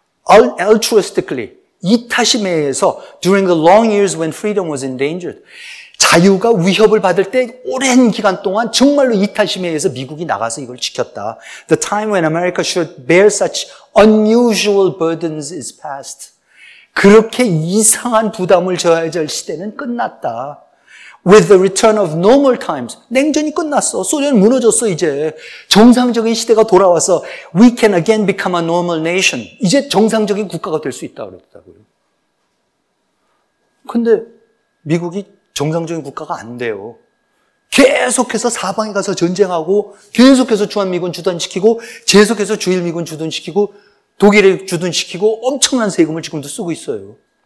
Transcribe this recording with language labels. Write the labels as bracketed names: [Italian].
[English] Altruistically [Korean] 이타심에해서 [English] during the long years when freedom was endangered, [Korean] 자유가 위협을 받을 때 오랜 기간 동안 정말로 이타심에해서 미국이 나가서 이걸 지켰다. [English] The time when America should bear such unusual burdens is past. [Korean] 그렇게 이상한 부담을 져야 할 시대는 끝났다. [English] With the return of normal times, [Korean] 냉전이 끝났어. 소련 무너졌어 이제. 정상적인 시대가 돌아와서 [English] we can again become a normal nation. [Korean] 이제 정상적인 국가가 될 수 있다 그랬다고요. 근데 미국이 정상적인 국가가 안 돼요. 계속해서 사방에 가서 전쟁하고 계속해서 주한미군 주둔시키고 계속해서 주일미군 주둔시키고 독일에 주둔시키고 엄청난 세금을 지금도 쓰고 있어요.